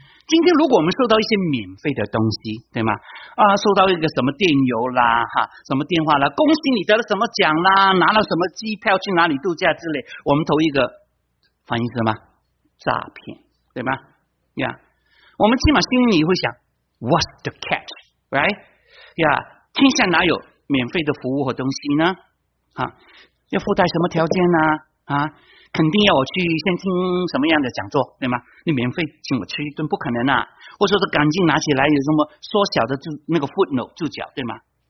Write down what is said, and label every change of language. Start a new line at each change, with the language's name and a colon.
Chinese: 今天如果我们受到一些免费的东西，对吗？啊，受到一个什么电邮啦，哈，什么电话啦，恭喜你得了什么奖啦，拿了什么机票去哪里度假之类，我们投一个，翻译什么？诈骗，对吗？呀、yeah. ，我们起码心里会想 ，
English: What's the catch, right？
Chinese: 呀、yeah. ，天下哪有免费的服务和东西呢？啊，要附带什么条件呢、啊？啊？肯定要我去先听什么样的讲座，对吗？你免费请我吃一顿不可能啊，或者说赶紧拿起来有什么缩小的那个 footnote 注脚，对吗？